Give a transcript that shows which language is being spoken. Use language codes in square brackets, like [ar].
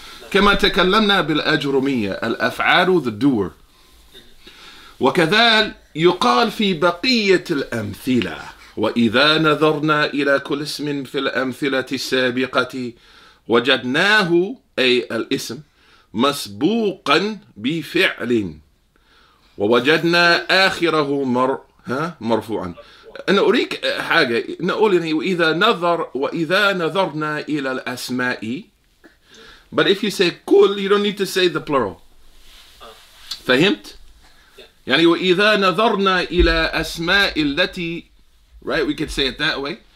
[ar] كما تكلمنا بالأجرمية الأفعال the doer، وكذلك يقال في بقية الأمثلة وإذا نظرنا إلى كل اسم في الأمثلة السابقة وجدناه أي الاسم مسبوقا بفعل ووجدنا آخره مرفوعا. أنا أريك حاجة، نقول يعني وإذا نظر وإذا نظرنا إلى الأسماء. [en] But if you say كل you don't need to say the plural. [ar] فهمت؟ يعني وإذا نظرنا إلى أسماء التي [en] right we could say it that way.